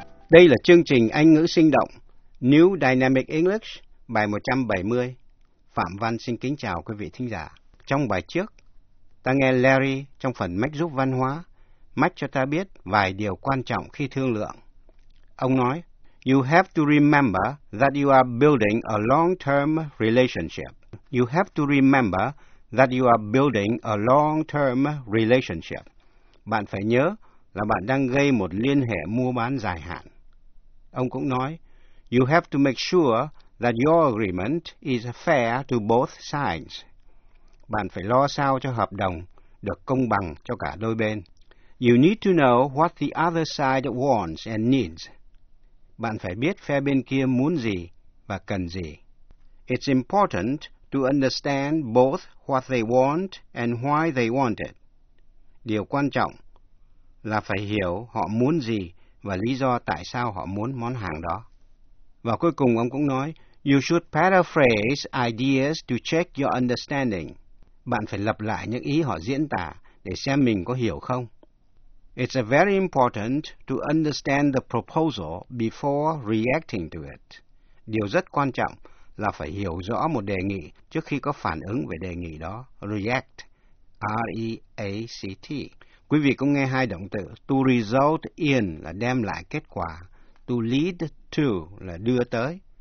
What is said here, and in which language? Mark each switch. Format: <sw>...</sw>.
<vi>Đây là chương trình Anh ngữ sinh động, New Dynamic English, bài 170. Phạm Văn xin kính chào quý vị thính giả. Trong bài trước, ta nghe Larry trong phần Mách giúp văn hóa, mách cho ta biết vài điều quan trọng khi thương lượng. Ông nói,</vi> <en>You have to remember that you are building a long-term relationship. You have to remember that you are building a long-term relationship.</en> <vi>Bạn phải nhớ là bạn đang gây một liên hệ mua bán dài hạn. Ông cũng nói,</vi> <en>You have to make sure that your agreement is fair to both sides.</en> <vi>Bạn phải lo sao cho hợp đồng được công bằng cho cả đôi bên.</vi> <en>You need to know what the other side wants and needs.</en> <vi>Bạn phải biết phe bên kia muốn gì và cần gì.</vi> <en>It's important to understand both what they want and why they want it.</en> <vi>Điều quan trọng là phải hiểu họ muốn gì và lý do tại sao họ muốn món hàng đó. Và cuối cùng ông cũng nói,</vi> <en>You should paraphrase ideas to check your understanding.</en> <vi>Bạn phải lặp lại những ý họ diễn tả để xem mình có hiểu không.</vi> <en>It's very important to understand the proposal before reacting to it.</en> <vi>Điều rất quan trọng là phải hiểu rõ một đề nghị trước khi có phản ứng về đề nghị đó. React, R-E-A-C-T. Quý vị cũng nghe hai động từ, to result in là đem lại kết quả, to lead to là đưa tới.</vi>